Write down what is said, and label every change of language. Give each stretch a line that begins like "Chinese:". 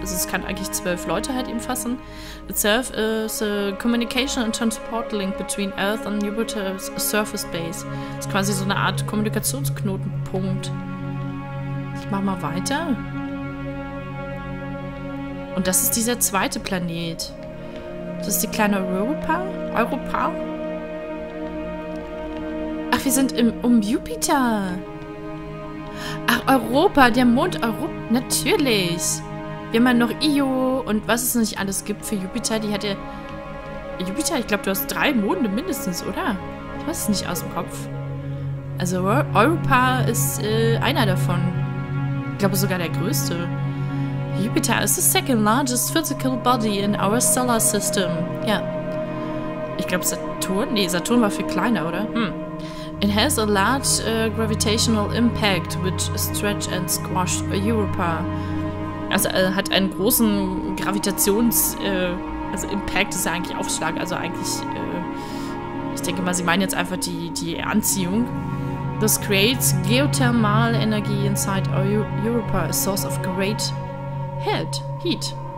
German: Also es kann eigentlich 12 Leute halt eben fassen.
English: Itself is a communication and transport link between Earth and Jupiter's surface base.
German: Das ist quasi so eine Art Kommunikationsknotenpunkt. Ich mach mal weiter. Und das ist dieser zweite Planet. Das ist die kleine Europa. Europa? Ach, wir sind um Jupiter. Ach, Europa, der Mond Europa. Natürlich. Wir haben ja noch Io und was es nicht alles gibt für Jupiter. Die hat ja... Jupiter, ich glaube, du hast 3 Monde mindestens, oder? Ich weiß es nicht aus dem Kopf. Also Europa ist einer davon. Ich glaube sogar der größte. Jupiter ist
English: the second largest physical body in our solar system.
German: Ja. Ich glaube Saturn? Nee, Saturn war viel kleiner, oder?
English: It has a large gravitational impact, which stretched and squashed Europa.
German: Also hat einen großen Gravitations... also Impact ist ja eigentlich Aufschlag, also eigentlich... ich denke mal, sie meinen jetzt einfach die Anziehung.
English: This creates geothermal energy inside Europa, a source of great heat.